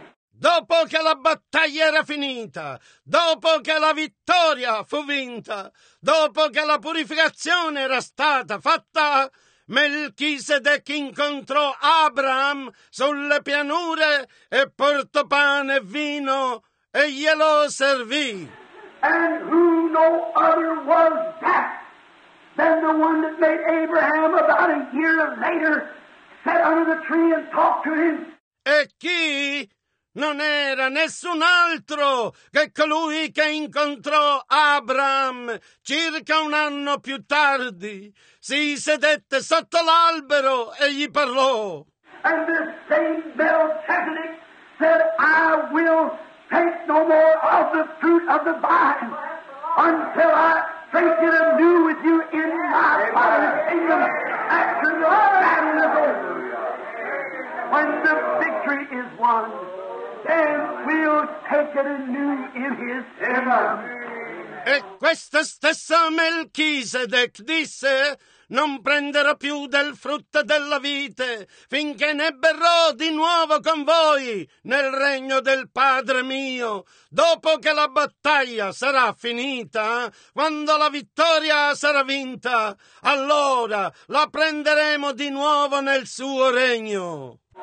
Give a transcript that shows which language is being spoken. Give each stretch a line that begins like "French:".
Italian: dopo che la battaglia era finita, dopo che la vittoria fu vinta, dopo che la purificazione era stata fatta, Melchisedec incontrò Abram sulle pianure e portò pane e vino e glielo servì.
English: And who no other was that than the one that made Abraham about a year later sat under the tree and talked to him.
Italian: E chi? Non era nessun altro che colui che incontrò Abram circa un anno più tardi. Si sedette sotto l'albero e gli parlò.
English: And this same Melchizedek said, I will take no more of the fruit of the vine until I drink it anew with you in my Father's kingdom after the battle is over. When the victory is won, then we'll take it anew in his kingdom.
Italian: E questo stesso Melchisedec disse: non prenderò più del frutto della vite finché ne berrò di nuovo con voi nel regno del Padre mio. Dopo che la battaglia sarà finita, quando la vittoria sarà vinta, allora la prenderemo di nuovo nel suo regno.